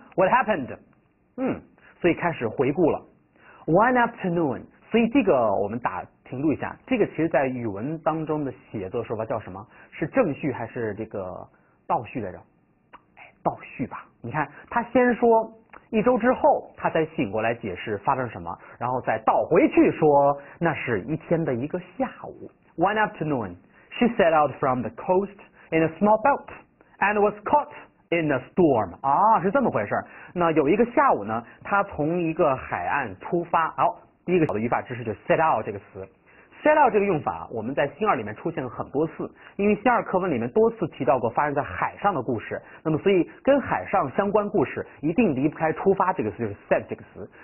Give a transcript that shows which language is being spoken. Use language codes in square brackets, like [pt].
[en] What happened？ [zh] 嗯，所以开始回顾了。 [en] One afternoon， [zh] 所以这个我们打停住一下，这个其实在语文当中的写作说法叫什么？是正序还是这个倒序来着？倒序吧。你看他先说一周之后他才醒过来解释发生什么，然后再倒回去说那是一天的一个下午。 [en] One afternoon she set out from the coast in a small boat and was caughtIn a storm， [zh] 啊，是这么回事。那有一个下午呢，他从一个海岸出发。好，第一个小的语法知识就是 set out 这个词。set out 这个用法，我们在新二里面出现了很多次，因为新二课文里面多次提到过发生在海上的故事。那么，所以跟海上相关故事一定离不开出发这个词，就是 set 这个词。